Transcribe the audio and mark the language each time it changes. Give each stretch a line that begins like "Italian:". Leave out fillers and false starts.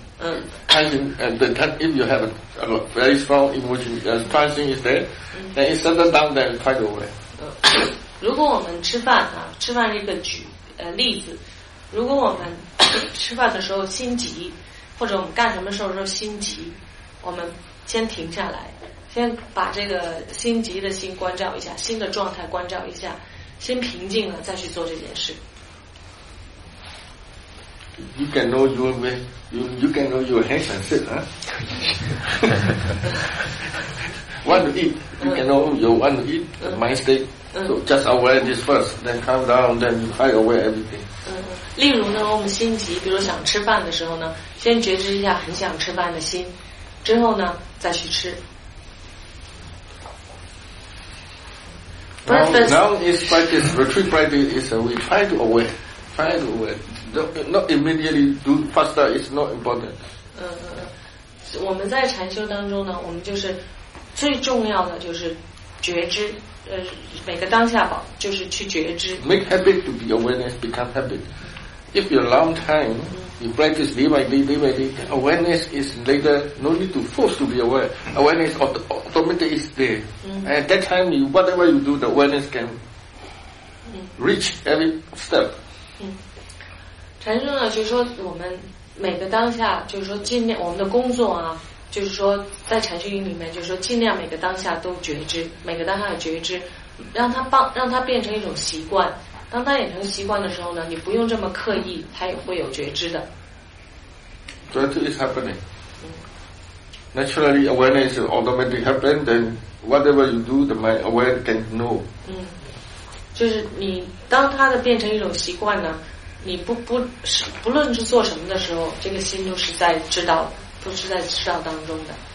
English: And then if you have a very strong emotion, tension is there, then it settle down, then try to away.
Chinese: 如果我们吃饭啊，吃饭这个例子，如果我们吃饭的时候心急，或者我们干什么时候心急，我们先停下来，先把这个心急的心关照一下，心的状态关照一下，先平静了再去做这件事。
English: You can know you can know your hands and feet, huh? Want to eat? You can know you want to eat. Mind state. So just aware this first, then calm down, then you high aware everything.
Chinese: 例如呢，我们心急，比如想吃饭的时候呢，先觉知一下很想吃饭的心，之后呢再去吃。
English: Now is practice, retreat practice is we try to aware, try to aware. Not immediately do faster is not important.
Chinese: 我们在禅修当中呢，我们就是最重要的就是觉知，每个当下宝就是去觉知。
English: Make habit to be awareness, become habit. If you're a long time, you practice day by day, day by day, awareness is later, no need to force to be aware. Awareness automatically is there. Mm-hmm. And at that time, you, whatever you do, the awareness can reach every step.
Chinese: 禅修呢，就是说我们每个当下，就是说尽量，我们的工作啊，就是说在禅修营里面，就是说尽量每个当下都觉知，每个当下的觉知，让它变成一种习惯。当他养成习惯的时候呢，你不用这么刻意，他也会有觉知的。
English: 觉知 is happening. Naturally, awareness is automatically happen. Then whatever you do, the mind aware can know.
Chinese: 就是你当他的变成一种习惯呢，你不论是做什么的时候，这个心都是在知道，都是在知道当中的。